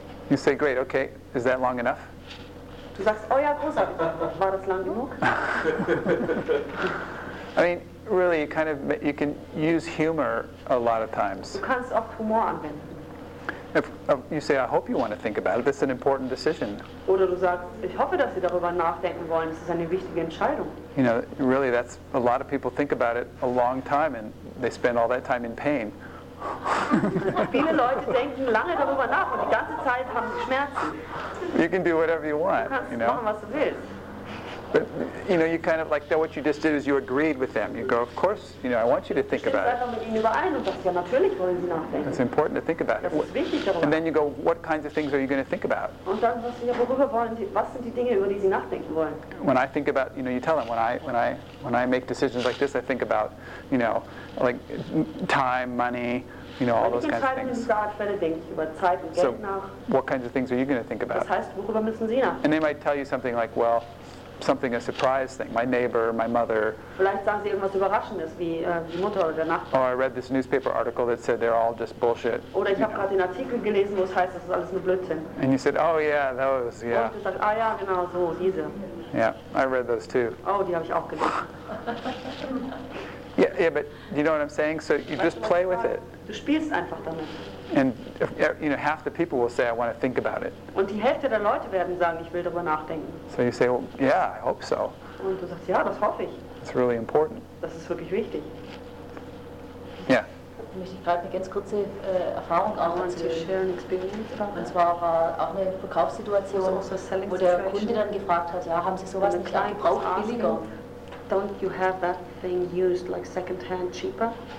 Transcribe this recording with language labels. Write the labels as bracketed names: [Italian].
[English] You say, great, okay. Is that long enough? [German] Du sagst, oh ja, großartig. War das lang genug? [English] I mean, really, you can use humor a lot of times. [German] Du kannst auch Humor anwenden. [English] If you say, I hope you want to think about it, this is an important decision. [German] Oder du sagst, ich hoffe, dass Sie darüber nachdenken wollen, es ist eine wichtige Entscheidung. [English] You know, really, that's a lot of people think about it a long time and they spend all that time in pain. [German] Viele Leute denken lange darüber nach und die ganze Zeit haben sie Schmerzen. [English] You can do whatever you want. [German] Du kannst machen, was du willst. [English] But, you know, you kind of like that what you just did is you agreed with them. You go, of course, you know, I want you to think about it. [German] Du stimmst einfach mit ihnen überein und sagst, ja, natürlich wollen sie nachdenken. [English] It's important to think about it. [German] Das ist wichtig darüber. [English] And then you go, what kinds of things are you going to think about? [German] Und dann sagst du, worüber wollen sie, was sind die Dinge, über die sie nachdenken wollen? [English] When I think about, you know, you tell them, when I make decisions like this, I think about, you know, like time, money, you know, all those kinds of things. So what kinds of things are you going to think about? [German] Das heißt, worüber müssen sie nach? [English] And they might tell you something like, well, something a surprise thing, my neighbor, my mother. [German] Vielleicht sagen sie irgendwas Überraschendes, wie die Mutter oder der Nachbar. [English] Or I read this newspaper article that said they're all just bullshit. [German] Oder ich habe gerade den Artikel gelesen, wo es heißt, das ist alles nur Blödsinn. [English] And you said, oh yeah, those, yeah. [German] Und sagt, ah ja, genau so, diese. [English] Yeah, I read those too. [German] Oh, die habe ich auch gelesen. [English] Yeah, but you know what I'm saying? So you just play with it. [German] Du spielst einfach damit. [English] And you know, half the people will say, "I want to think about it." [German] Und die Hälfte der Leute werden sagen, ich will darüber nachdenken. [English] So you say, "Well, yeah, I hope so." [German] Und du sagst, ja, das hoffe ich. [English] It's really important. [German] Das ist wirklich wichtig. [English] Yeah. [German] Ich möchte gerade eine ganz kurze Erfahrung auch erzählen. Experience. Und zwar war auch eine Verkaufssituation, so wo der Kunde dann gefragt hat, ja, haben Sie sowas nicht gebraucht, billiger? [English] Don't you have that thing used, like second-hand, cheaper?